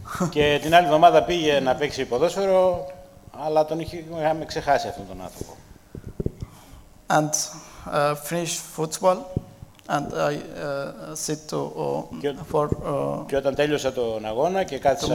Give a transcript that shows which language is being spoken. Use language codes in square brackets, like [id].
[el] Και την άλλη εβδομάδα πήγε να παίξει ποδόσφαιρο, αλλά τον είχαμε ξεχάσει αυτόν τον άνθρωπο. [en] And finish football and I sit to for [el] και όταν τέλειωσα τον αγώνα και κάθισα